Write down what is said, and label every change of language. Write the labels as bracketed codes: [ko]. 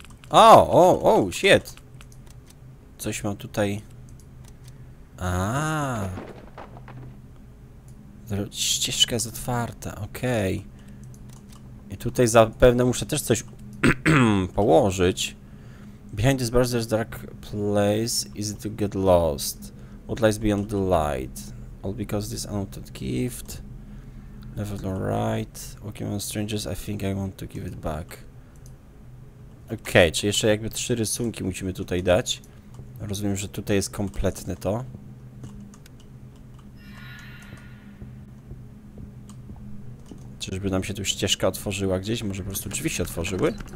[pl] O, shit. Coś mam tutaj. Aaaa. Ścieżka jest otwarta, okej. Okay. I tutaj zapewne muszę też coś położyć. [en] Behind this bars there's dark place, easy to get lost. What lies beyond the light? All because this unwanted gift. Left or right. Walking on strangers, I think I want to give it back. [pl] Okej, okay, czy jeszcze jakby trzy rysunki musimy tutaj dać. Rozumiem, że tutaj jest kompletne to. Czyżby nam się tu ścieżka otworzyła gdzieś? Może po prostu drzwi się otworzyły?